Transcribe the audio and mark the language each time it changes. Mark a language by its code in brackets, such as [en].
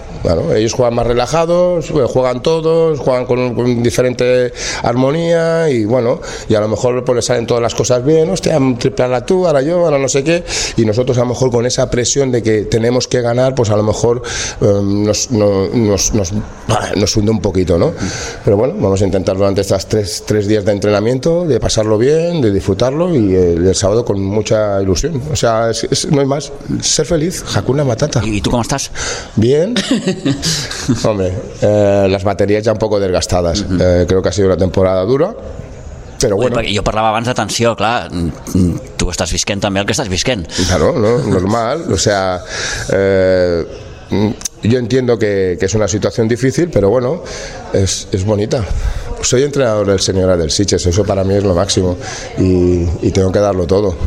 [es] Bueno, ellos juegan más relajados, juegan todos, juegan con diferente armonía y bueno, y a lo mejor pues les salen todas las cosas bien, hostia, tripleala tú, ahora yo, ahora no sé qué, y nosotros a lo mejor con esa presión de que tenemos que ganar, pues a lo mejor nos hunde un poquito, ¿no? Pero bueno, vamos a intentar durante estas 3 días de entrenamiento, de pasarlo bien, de disfrutarlo, y el sábado con mucha ilusión. O sea, es, no hay más, ser feliz, Hakuna Matata. ¿Y tú cómo estás? Bien. Hombre, las baterías ya un poco desgastadas. Uh-huh. Creo que ha sido una temporada dura, però bueno. Bé, [ca] jo parlava abans de tensió, clar, tu estàs visquent també el que estàs visquent. [es] Claro, no, normal, o sea, yo entiendo que es una situación difícil, pero bueno, es bonita. Soy entrenador del Senyora del Sitges, eso para mí es lo máximo, y tengo que darlo todo.